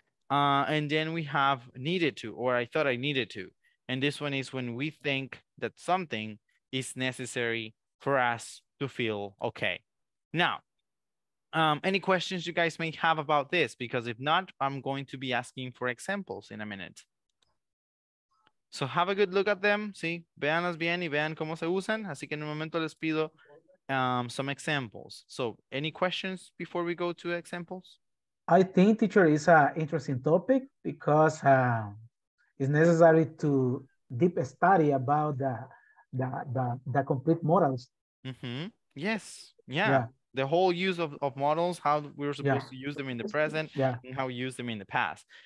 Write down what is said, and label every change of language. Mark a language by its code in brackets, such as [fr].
[en] And then we have needed to, or I thought I needed to. And this one is when we think that something is necessary for us to feel okay. Now, any questions you guys may have about this? Because if not, I'm going to be asking for examples in a minute. So have a good look at them. [es] Sí, véanlas bien y vean cómo se usan. Así que en un momento les pido [en] some examples. So any questions before we go to examples? I think, teacher, is an interesting topic because it's necessary to deep study about the complete models. Mm-hmm. Yes. Yeah. The whole use of models, how we're supposed to use them in the present and how we use them in the past.